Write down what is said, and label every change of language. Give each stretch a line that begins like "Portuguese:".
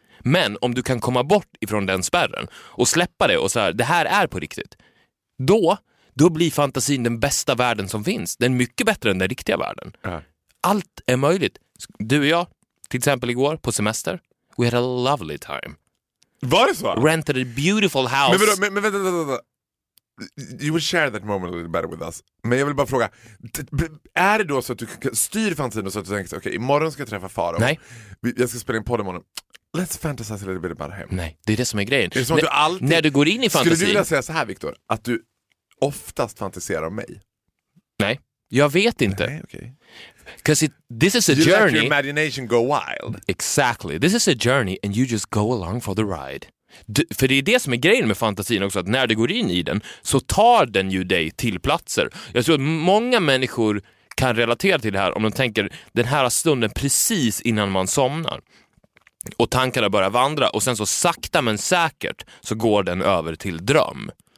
Swedish: Men om du kan komma bort ifrån den spärren och släppa det och så här, det här är på riktigt, då blir fantasin den bästa världen som finns. Den är mycket bättre än den riktiga världen. Allt är möjligt. Du och jag, till exempel igår på semester,
English: we had a lovely time.
Swedish: Var det så?
English: Rented a beautiful house.
Swedish: Men vänta.
English: You will share that moment a little better with us.
Swedish: Men jag vill bara fråga, är det då så att du styr fantasin och så att du tänker okej, imorgon ska jag träffa Faro. Nej. Jag ska spela in podd imorgon.
English: Let's fantasize a little bit about him.
Swedish: Nej, det är det som är grejen. Det är som att du alltid, när du går in i fantasin. Skulle du vilja säga så här, Victor, att du oftast fantiserar om mig? Nej, jag vet inte. Nej, okej.
English: Because this is a you journey. You let your imagination go wild. Exactly. This is a journey and you just go along for the ride.
Swedish: För det är det som är grejen med fantasin också, att när du går in i den så tar den ju dig till platser. Jag tror att många människor kan relatera till det här om de tänker den här stunden precis innan man somnar och tankarna börjar vandra, och sen så sakta men säkert så går den över till dröm.